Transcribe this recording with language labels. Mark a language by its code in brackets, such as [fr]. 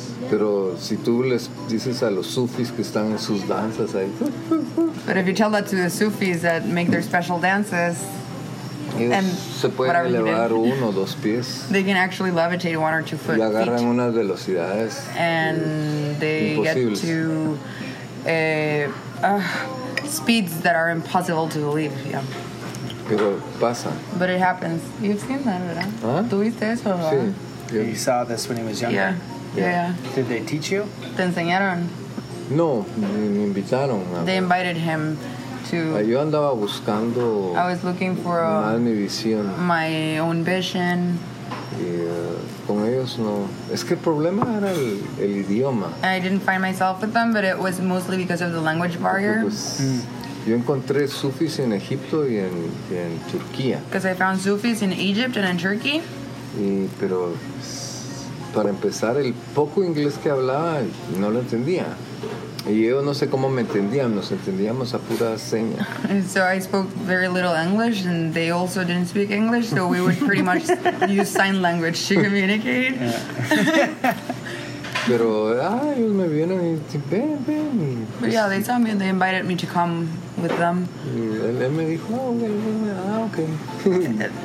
[es] Pero si tú les dices a los sufis que están en sus danzas ahí. [en] But if you tell that to the sufis that make their special dances, and [es] se pueden elevar uno o dos pies. [en] They can actually levitate 1 or 2 feet. [es] Y agarran unas velocidades. [en] And they get to speeds that are impossible to believe. Yeah. [es] Pero pasa. [en] But it happens. You've seen that, ¿verdad? Huh? [es] ¿Tuviste eso? Sí. [en] Yeah. You saw this when he was younger. Yeah. Did they teach you? [es] Te enseñaron. No, me invitaron. [en] They invited him. [es] Yo andaba buscando mi visión. [en] My own vision. [es] Y con ellos no. Es que el problema era el idioma. [en] I didn't find myself with them, but it was mostly because of the language barrier. [es] Yo encontré sufis en Egipto y en Turquía. [en] Because I found sufis in Egypt and in Turkey. [es] Pero para empezar, el poco inglés que hablaba no lo entendía. Y yo no sé cómo me entendían, nos entendíamos a pura seña. [en] So I spoke very little English, and they also didn't speak English, so we would pretty much use sign language to communicate. [es] Pero, ellos me vieron y ven. [en] But yeah, they saw me and they invited me to come with them. [es] Y él me dijo, okay.